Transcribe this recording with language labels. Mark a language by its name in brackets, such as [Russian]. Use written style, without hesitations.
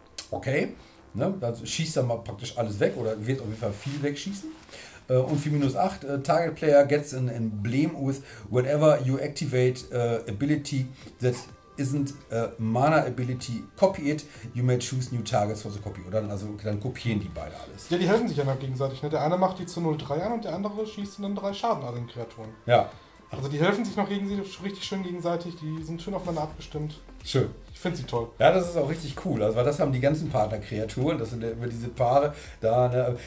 [German] Okay, ne, dann schießt er mal praktisch alles weg oder wird auf jeden Fall viel wegschießen. [English] Und für minus 8, Target Player gets an emblem with whenever you activate ability that isn't a mana ability, copy it, you may choose new targets for the copy. [German] Oder also, dann kopieren die beide alles. Ja, die helfen sich ja dann gegenseitig. Ne? Der eine macht die zu 0-3 an und der andere schießt dann 3 Schaden an den Kreaturen. Ja. Also die helfen sich noch gegenseitig, richtig schön gegenseitig, die sind schön aufeinander abgestimmt. Schön. Ich finde sie toll. Ja, das ist auch richtig cool. Also weil das haben die ganzen Partnerkreaturen, das sind immer diese Paare da. Ne?